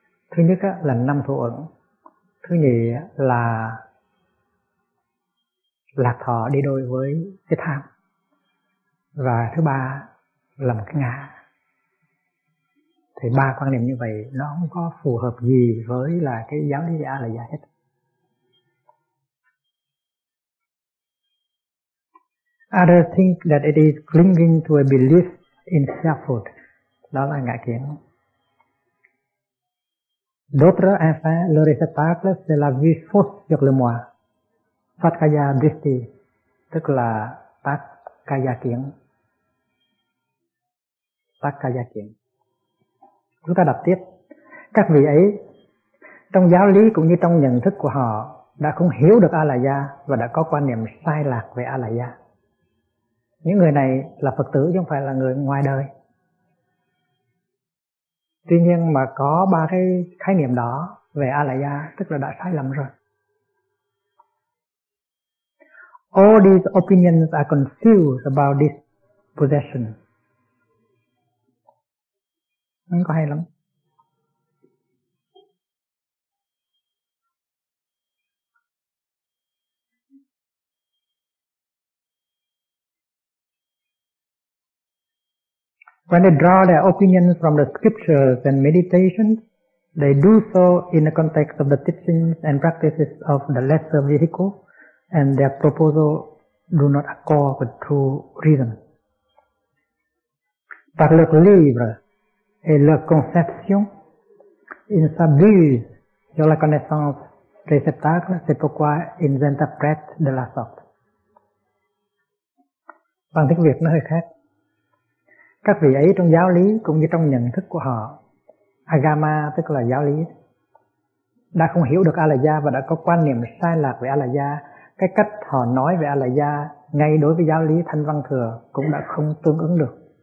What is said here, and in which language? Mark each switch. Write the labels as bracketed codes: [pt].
[vi] Thứ nhất á, là năm thủ uẩn. Thứ nhì á, là lạc thọ đi đôi với cái tham. Và thứ ba là một cái ngã. Thì ba quan niệm như vậy nó không có phù hợp gì với là cái giáo lý Alaya hết. [en] Others think that it is clinging to a belief in selfhood. [vi] Đó là ngã kiến. [fr] D'autres enfin le réceptacle c'est la vue fausse sur le moi. [vi] Satkaya drishti, tức là Satkaya kiến. Satkaya kiến. Chúng ta đọc tiếp. Các vị ấy, trong giáo lý cũng như trong nhận thức của họ, đã không hiểu được A-la-gia và đã có quan niệm sai lạc về A-la-gia. Những người này là Phật tử chứ không phải là người ngoài đời. Tuy nhiên mà có ba cái khái niệm đó về A-la-gia tức là đã sai lầm rồi. [en] All these opinions are confused about this possession. [vi] Không có hay lắm. [en] When they draw their opinions from the scriptures and meditations, they do so in the context of the teachings and practices of the lesser vehicle, and their proposal do not accord with true reason. [fr] Par le livre et leur conception, ils s'abusent sur la connaissance réceptacle, c'est pourquoi ils interprètent de la sorte. [vi] Bằng tiếng Việt nó hơi khác. Các vị ấy trong giáo lý cũng như trong nhận thức của họ, Agama tức là giáo lý, đã không hiểu được A-la-gia và đã có quan niệm sai lạc về A-la-gia. Cái cách họ nói về A-la-gia ngay đối với giáo lý Thanh Văn Thừa cũng đã không tương ứng được.